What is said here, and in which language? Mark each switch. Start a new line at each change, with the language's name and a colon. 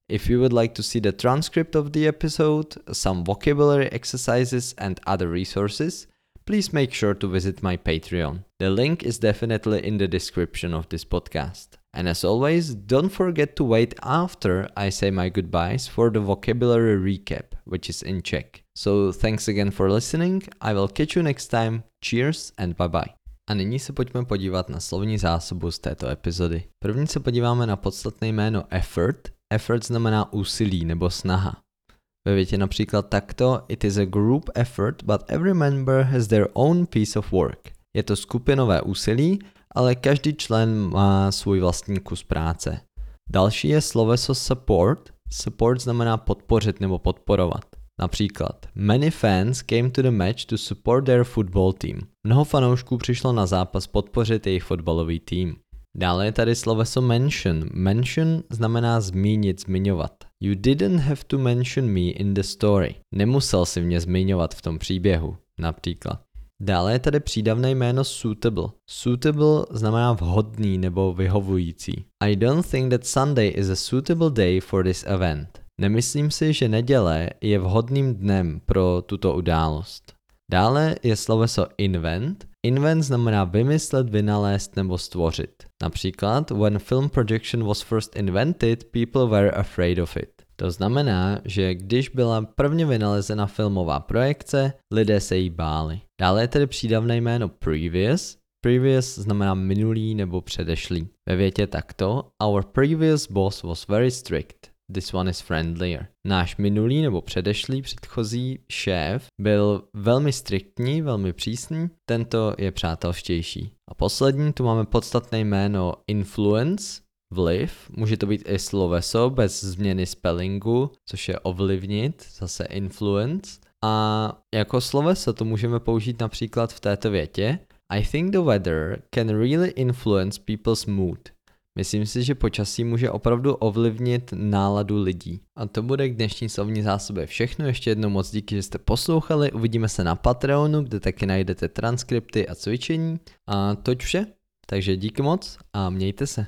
English: If you would like to see the transcript of the episode, some vocabulary exercises and other resources, please make sure to visit my Patreon. The link is definitely in the description of this podcast. And as always, don't forget to wait after I say my goodbyes for the vocabulary recap, which is in Czech. So thanks again for listening. I will catch you next time. Cheers and bye-bye.
Czech: A nyní se pojďme podívat na slovní zásobu z této epizody. První se podíváme na podstatné jméno effort. Effort znamená úsilí nebo snaha. Ve větě například takto,
English: it is a group effort, but every member has their own piece of work.
Czech: Je to skupinové úsilí, ale každý člen má svůj vlastní kus práce. Další je sloveso support. Support znamená podpořit nebo podporovat. Například,
English: many fans came to the match to support their football team.
Czech: Mnoho fanoušků přišlo na zápas podpořit jejich fotbalový tým. Dále je tady sloveso mention. Mention znamená zmínit, zmiňovat.
English: You didn't have to mention me in the story.
Czech: Nemusel si mě zmiňovat v tom příběhu. Například. Dále je tady přídavné jméno suitable. Suitable znamená vhodný nebo vyhovující.
English: I don't think that Sunday is a suitable day for this event.
Czech: Nemyslím si, že neděle je vhodným dnem pro tuto událost. Dále je sloveso invent. Invent znamená vymyslet, vynalézt nebo stvořit. Například,
English: when film projection was first invented, people were afraid of it.
Czech: To znamená, že když byla prvně vynalezena filmová projekce, lidé se jí báli. Dále je tedy přídavné jméno previous. Previous znamená minulý nebo předešlý. Ve větě takto,
English: our previous boss was very strict. This one is friendlier.
Czech: Náš minulý nebo předešlý předchozí šéf byl velmi striktní, velmi přísný. Tento je přátelštější. A poslední, tu máme podstatné jméno influence, vliv. Může to být i sloveso bez změny spellingu, což je ovlivnit, zase influence. A jako sloveso to můžeme použít například v této větě.
English: I think the weather can really influence people's mood.
Czech: Myslím si, že počasí může opravdu ovlivnit náladu lidí. A to bude k dnešní slovní zásobě všechno. Ještě jednou moc díky, že jste poslouchali. Uvidíme se na Patreonu, kde taky najdete transkripty a cvičení. A toť vše. Takže díky moc a mějte se.